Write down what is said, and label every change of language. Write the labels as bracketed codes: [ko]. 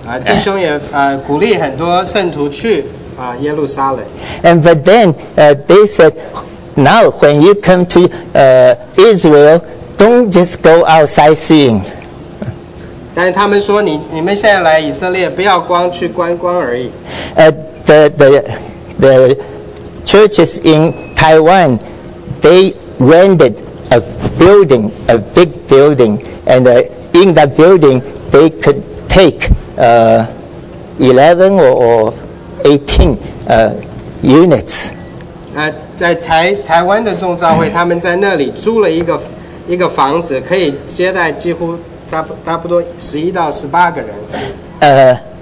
[zh] 弟兄也鼓励很多圣徒去耶路撒冷。 [en] And but then they said, now when you come to Israel, don't just go outside seeing. [zh] 但是他们说你们现在来以色列，不要光去观光而已。 [en] The churches in Taiwan, they rented a building, a big building, and in that building, they could take 11 or 18 units. [zh] 在台湾的众召会，他们在那里租了一个房子，可以接待几乎差不多11到18个人。